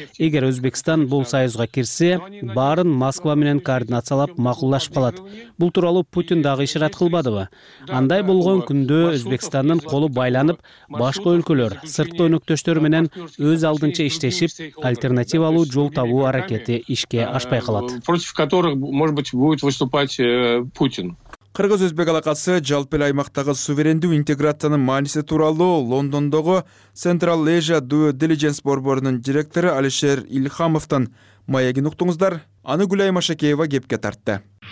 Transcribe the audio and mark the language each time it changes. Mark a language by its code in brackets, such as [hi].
[ky] Эгер Өзбекстан бул союзга кирсе, баарын Москва менен координациялап макулдашып калат. Бул тууралуу Путин дагы ишарат кылбадыбы? Андай болгон күндө Өзбекстандын колу байланып, башка өлкөлөр, сырткы өнөктөштөр менен өз алдынча иштешип, альтернативалуу жол табуу аракети ишке ашпай калат. [ru] против которых, может быть, будет выступать Путин. [ky] Кыргыз өзбек алакасы жалпы эле аймактагы суверендүү интеграциянын мааниси тууралуу Лондондогу Central Asia Due Diligence борборунун директору Алишер Ильхамовтон маегин уктуңуздар. Аны Гүлай Машакеева кепке тартты.